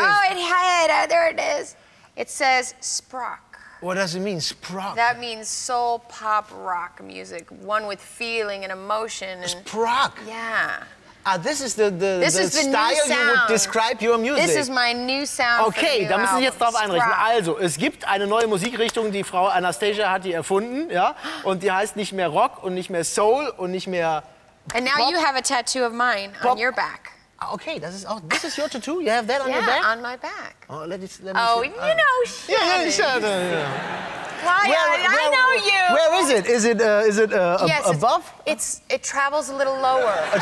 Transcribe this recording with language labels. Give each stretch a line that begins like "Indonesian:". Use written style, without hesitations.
English: Oh, it had it. There it is. It says Sprock. What does it mean, Sprock? That means soul pop rock music, one with feeling and emotion. And Sprock. Yeah. This is the style you would describe your music. This is my new sound.
German: Okay, da müssen Sie jetzt drauf einrichten. Also, es gibt eine neue Musikrichtung, die Frau Anastasia hat die erfunden, ja? Und die heißt nicht mehr Rock und nicht mehr Soul und nicht mehr Pop.
English: And now you have a tattoo of mine on your back. Okay, this is your tattoo. You have that on your back? Yeah, on my back. Oh, let me see. You know, Shannon. Yeah, Shannon. I know you. Where is it? Is it above? It travels a little lower.